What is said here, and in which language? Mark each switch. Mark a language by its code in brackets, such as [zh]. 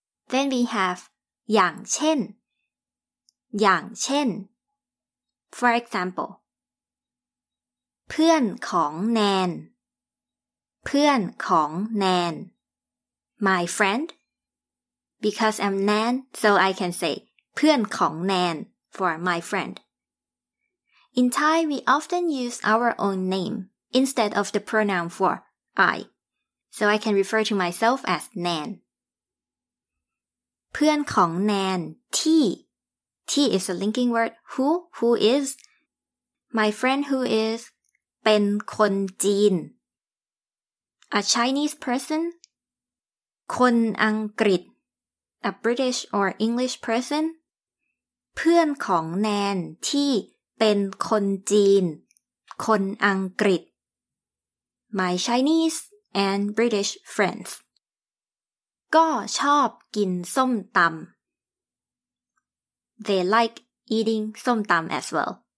[en] then we have [th] อย่างเช่นอย่างเช่น [en] for example [th] เพื่อนของแนนเพื่อนของแนน [en] my friendBecause I'm Nan, so I can say เพื่อนของ Nan for my friend. In Thai, we often use our own name instead of the pronoun for I, so I can refer to myself as Nan. เพื่อนของ Nan ที่ ที่ is a linking word who is My friend who is [th] เป็นคนจีน [en] A Chinese person คนอังกฤษ A British or English person [th] เพื่อนของแนนที่เป็นคนจีนคนอังกฤษ [en] My Chinese and British friends [th] ก็ชอบกินส้มตำ [en] They like eating ส้มตำ as well